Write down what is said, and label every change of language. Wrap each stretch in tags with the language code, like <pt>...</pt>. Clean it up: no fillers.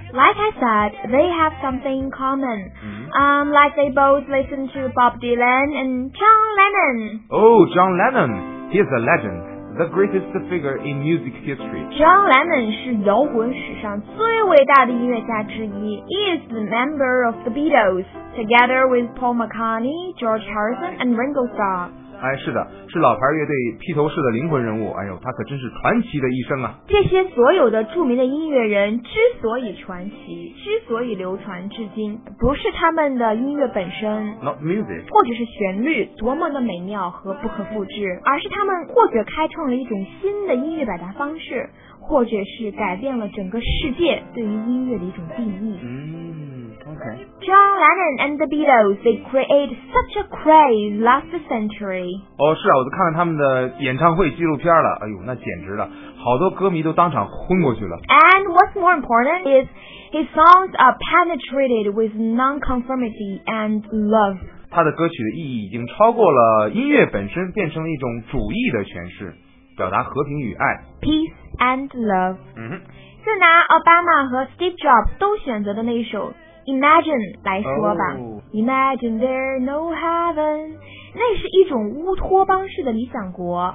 <en>Like I said, they have something in common. Like they both listen to Bob Dylan and John Lennon. Oh, John Lennon, he is a legend, the greatest figure in music history.</en> <zh>John Lennon 是摇滚史上最伟大的音乐家之一。</zh> <en>He is the member of the Beatles, together with Paul McCartney, George Harrison and Ringo Starr.</en> <zh>哎，是的，是老牌乐队披头士的灵魂人物。哎呦，他可真是传奇的一生啊！这些所有的著名的音乐人之所以传奇，之所以流传至今，不是他们的音乐本身</zh> <en>，not music，</en> <zh>或者是旋律多么的美妙和不可复制，而是他们或者开创了一种新的音乐表达方式，或者是改变了整个世界对于音乐的一种定义。</zh> <en>Okay. John Lennon and the Beatles, they create such a craze last century.</en> <zh>哦，是啊，我都看了他们的演唱会纪录片了。哎呦，那简直了，好多歌迷都当场昏过去了。</zh> <en>And what's more important is his songs are penetrated with non-conformity and love.</en> <zh>他的歌曲的意义已经超过了音乐本身，变成了一种主义的诠释，表达和平与爱。</zh> <en>Peace and love. 嗯，</en> <zh>就拿奥巴马和 Steve Jobs 都选择的那一首。 Imagine 来说吧、 oh.</zh> <en>Imagine there no heaven，</en> <zh>那是一种乌托邦式的理想国、</zh>